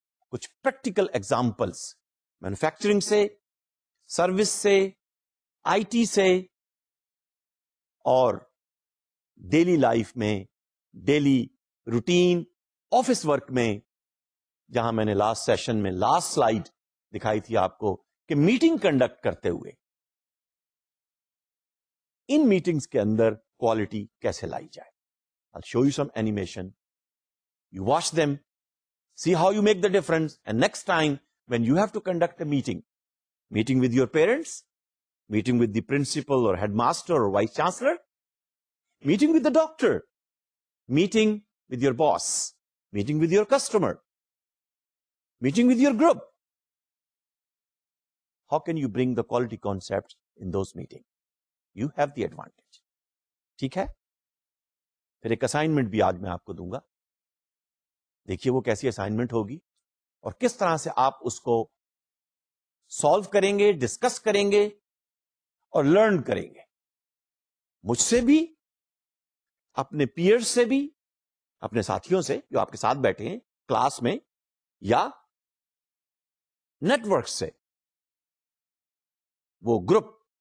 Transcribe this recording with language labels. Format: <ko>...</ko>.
<ur>کچھ practical examples manufacturing سے, service سے, آئی ٹی سے, اور ڈیلی لائف میں, ڈیلی روٹین آفس ورک میں, جہاں میں نے لاسٹ سیشن میں لاسٹ سلائیڈ دکھائی تھی آپ کو کہ میٹنگ کنڈکٹ کرتے ہوئے ان میٹنگز کے اندر کوالٹی کیسے لائی جائے.</ur> <en>I'll show you some animation. You watch them, see how you make the difference, and next time when you have to conduct a meeting, meeting with your parents, meeting with the principal or headmaster or vice chancellor, meeting with the doctor, meeting with your boss, meeting with your customer, meeting with your group, how can you bring the quality concepts in those meetings? You have the advantage.</en> <ur>Theek hai? پھر ایک assignment بھی آج میں آپ کو دوں گا, دیکھیے وہ کیسی اسائنمنٹ ہوگی اور کس طرح سے آپ اس کو سالو کریں گے, ڈسکس کریں گے اور لرن کریں گے, مجھ سے بھی, اپنے پیئرز سے بھی, اپنے ساتھیوں سے جو آپ کے ساتھ بیٹھے ہیں کلاس میں, یا نیٹ ورک سے, وہ گروپ,</ur>